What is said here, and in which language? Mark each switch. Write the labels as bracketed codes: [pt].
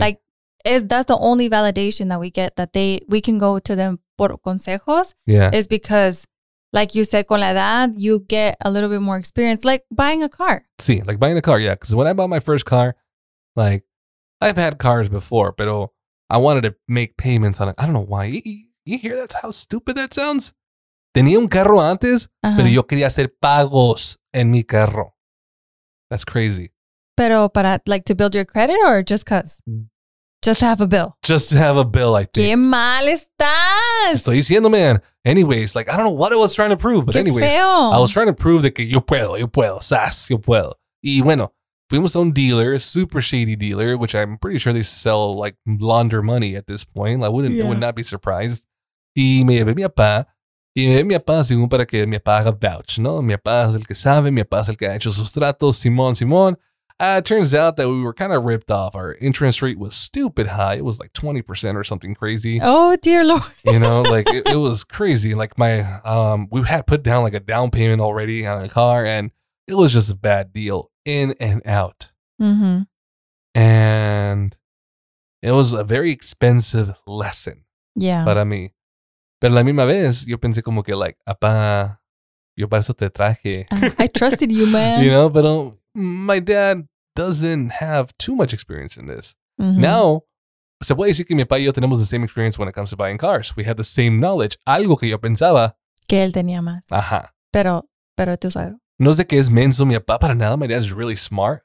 [en] Like, that's the only validation that we get, that we can go to them por consejos. Yeah. Is because, like you said, con la edad, you get a little bit more experience. Like, buying a car. Sí, like buying a car, yeah. Because when I bought my first car, like, I've had cars before, but I wanted to make payments on it. I don't know why. You hear that? How stupid that sounds? [es] Tenía un carro antes, pero yo quería hacer pagos en mi carro. [en] That's crazy. Pero para, like, to build your credit or just because? Just to have a bill. Just to have a bill, I think. [es] ¡Qué mal estás! Estoy diciendo, man. [en] Anyways, like, I don't know what I was trying to prove, but [es] qué [en] anyways. [es] Feo. [en] I was trying to prove that yo puedo, sas, yo puedo. Y bueno. Fuimos a un dealer, super shady dealer, which I'm pretty sure they sell, like, launder money at this point. I wouldn't, would not be surprised. [es] Y me llevé mi papá según para que mi papá haga vouch, ¿no? Mi papá es el que sabe, mi papá es el que ha hecho sus tratos, Simón. [en] Turns out that we were kind of ripped off. Our interest rate was stupid high. It was like 20% or something crazy. Oh, dear Lord. You know, like, it was crazy. Like, my, we had put down, like, a down payment already on a car, and it was just a bad deal. In and out. Mm-hmm. And it was a very expensive lesson. Yeah. [es] Para mí. Pero la misma vez, yo pensé como que, like, apa, yo para eso te traje. [en] I trusted you, man. You know, but my dad doesn't have too much experience in this. Mm-hmm. Now, se puede decir que mi papá y yo tenemos the same experience when it comes to buying cars. We have the same knowledge. Algo que yo pensaba. [es] Que él tenía más. Ajá. Pero tú sabes. No sé qué es menso mi papá, para nada. My dad is really smart.